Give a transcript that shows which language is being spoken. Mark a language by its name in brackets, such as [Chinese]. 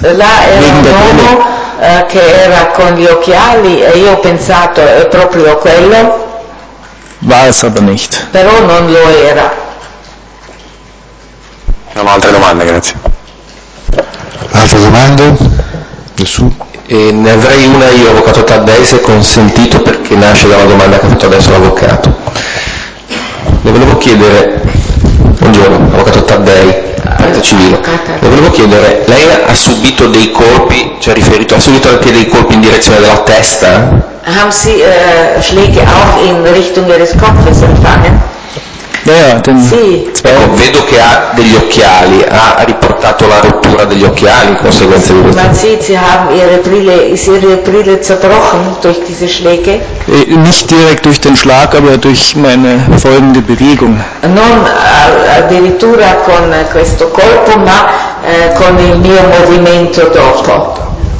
[Italian] Là era un uomo che era con gli occhiali e io ho pensato è proprio quello. [German] War es aber nicht. [Italian] Però non lo era. Non ho altre domande, grazie. Altre domande? Nessuno? E ne avrei una io, avvocato Taddei, se consentito, perché nasce da una domanda che ha fatto adesso l'avvocato. Le volevo chiedere, buongiorno, avvocato Taddei, parte civile, le volevo chiedere, lei ha subito dei colpi, cioè riferito, ha subito anche dei colpi in direzione della testa? [German] Haben Sie Schläge auch in Richtung Ihres Kopfes empfangen? [English] Yeah, then, [Italian] sì. Ecco, vedo che ha degli occhiali, ha riportato la rottura degli occhiali in conseguenza di questo. Ma sì, si [German] haben ihre Brille zerbrochen durch diese Schläge. Nicht direkt durch den Schlag, aber durch meine folgende Bewegung. [Italian] Non addirittura con questo colpo, ma con il mio movimento dopo.